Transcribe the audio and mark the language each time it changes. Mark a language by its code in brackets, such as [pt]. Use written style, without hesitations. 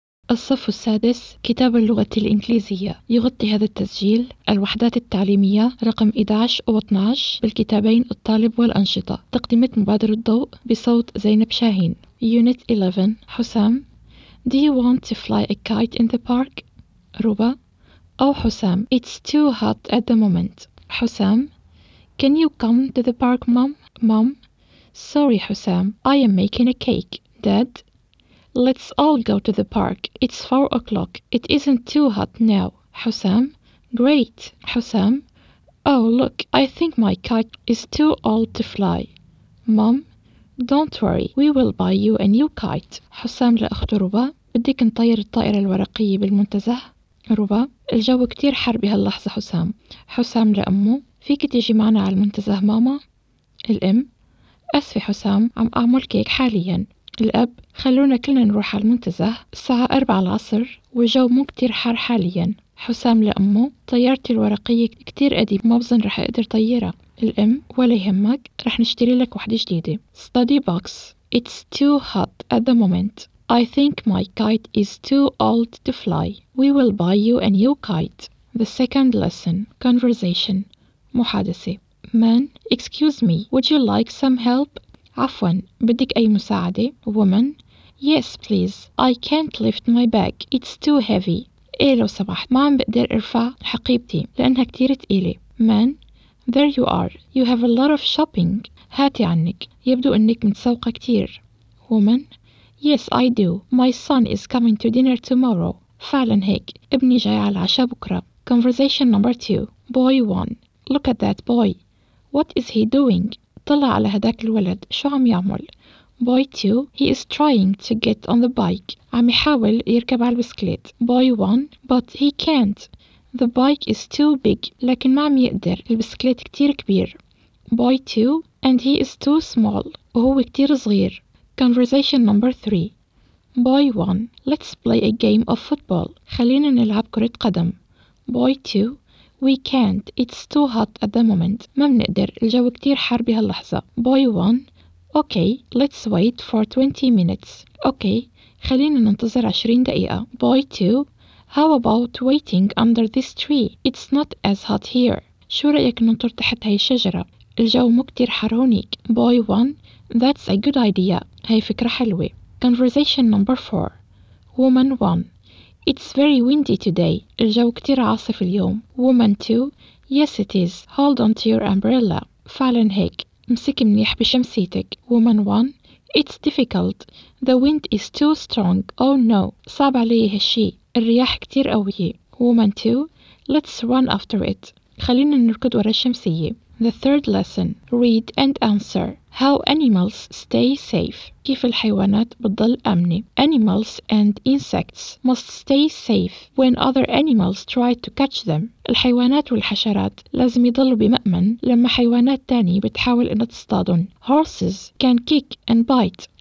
[ar] الصف السادس، كتاب اللغة الإنجليزية. يغطي هذا التسجيل الوحدات التعليمية رقم 11 و12 بالكتابين الطالب والأنشطة. تقدمت مبادرة الضوء بصوت زينب شاهين. [en] Unit 11. حسام. Do you want to fly a kite in the park? روبا. Oh, حسام. It's too hot at the moment. حسام. Can you come to the park, Mom? Mom. Sorry, حسام. I am making a cake. Dad. Let's all go to the park. It's 4 o'clock. It isn't too hot now. حسام. Great. حسام. Oh, look. I think my kite is too old to fly. Mom. Don't worry. We will buy you a new kite. [ar] حسام لأخت روبا. بدك نطير الطائرة الورقية بالمنتزه؟ روبا. الجو كتير حر بهاللحظة حسام. حسام لأمه. فيك تيجي معنا على المنتزه ماما؟ الأم. أسف حسام. عم أعمل كيك حالياً. الأب. خلونا كلنا نروح على المنتزه. الساعة 4 العصر والجو مو كتير حر حالياً. حسام لأمه. طيارتي الورقية كتير قديمة ما بظن رح أقدر طيرها. الأم. ولا يهمك. رح نشتري لك واحدة جديدة. [en] Study box. It's too hot at the moment. I think my kite is too old to fly. We will buy you a new kite. The second lesson. Conversation. محادثة. Man. Excuse me. Would you like some help? [ar] عفوا. بدك أي مساعدة؟ Woman. [en] Yes, please. I can't lift my bag. It's too heavy. [ar] إيه لو سمحت. ما عم بقدر أرفع حقيبتي لأنها كتير تقيلة. [en] Man. There you are. You have a lot of shopping. [ar] هاتي عنك. يبدو أنك متسوقة كتير. [en] Woman. Yes, I do. My son is coming to dinner tomorrow. [ar] فعلا هيك. ابني جاي على العشاء بكرة. [en] Conversation number 2. Boy 1. Look at that boy. What is he doing? [ar] طلع على هداك الولد. شو عم يعمل؟ Boy 2. [en] He is trying to get on the bike. [ar] عم يحاول يركب على البسكليت. [en] Boy 1. But he can't. The bike is too big. [ar] لكن ما عم يقدر. البسكليت كتير كبير. Boy 2. [en] And he is too small. [ar] وهو كتير صغير. [en] Conversation number 3. Boy 1. Let's play a game of football. [ar] خلينا نلعب كرة قدم. [en] Boy 2. We can't. It's too hot at the moment. [ar] ما بنقدر. الجو كتير حار بهاللحظة. [en] Boy 1. Okay. Let's wait for 20 minutes. Okay. [ar] خلينا ننتظر 20 دقيقة. [en] Boy 2. How about waiting under this tree? It's not as hot here. [ar] شو رأيك ننطر تحت هاي الشجرة؟ الجو مو كتير حار هونيك. [en] Boy 1. That's a good idea. [ar] هاي فكرة حلوة. [en] Conversation number 4. Woman 1. It's very windy today. [ar] الجو كتير عاصف اليوم. [en] Woman 2. Yes, it is. Hold on to your umbrella. [ar] فعلا هيك. امسكي منيح بشمسيتك. [en] Woman 1. It's difficult. The wind is too strong. Oh no. [ar] صعب علي هالشي. الرياح كتير قوية. [en] Woman 2. Let's run after it. [ar] خلينا نركض ورا الشمسية. [en] The third lesson. Read and answer. How animals stay safe. [ar] كيف الحيوانات بتضل أمنة. [en] Animals and insects must stay safe when other animals try to catch them. [ar] الحيوانات والحشرات لازم يضلوا بمأمن لما حيوانات تانية بتحاول أن تصطادهم. [en] Horses can kick and bite.